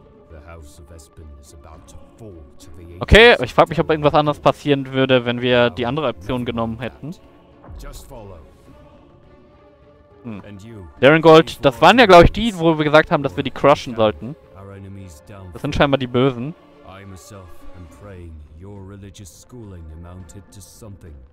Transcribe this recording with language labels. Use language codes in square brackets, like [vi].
[en] The House of Espen is about to fall to the... [de] Okay, ich frag mich, ob irgendwas anderes passieren würde, wenn wir die andere Option genommen hätten. [en] Just follow. [de] Darrengold, das waren ja, glaube ich, die, wo wir gesagt haben, dass wir die crushen sollten. Das sind scheinbar die Bösen. [en] I myself am praying, your religious schooling amounted to something.